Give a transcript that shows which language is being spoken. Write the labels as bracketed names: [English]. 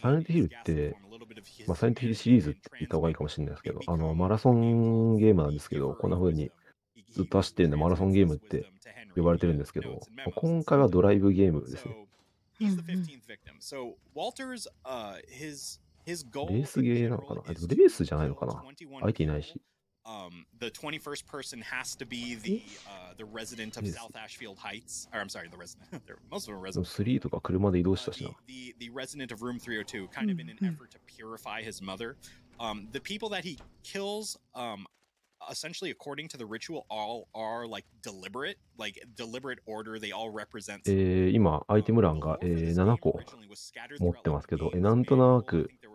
[Japanese] サイレントヒルって、サイレントヒルシリーズって言った方がいいかもしれないですけど、マラソンゲームなんですけど、こんな風にずっと走ってるんでマラソンゲームって呼ばれてるんですけど、今回はドライブゲームですね。レースゲーなのかな？レースじゃないのかな？相手いないし。 [English] The 21st person has to be the resident of South Ashfield Heights. Or, I'm sorry, the resident. Most of them are residents. [Japanese] 3とか車で移動したしな。 [English] The resident of room 302, kind of in an effort to purify his mother. The people that he kills, essentially according to the ritual, all are deliberate order. They all represent. [Japanese] 今、アイテム欄が7個持ってますけど、なんとなく。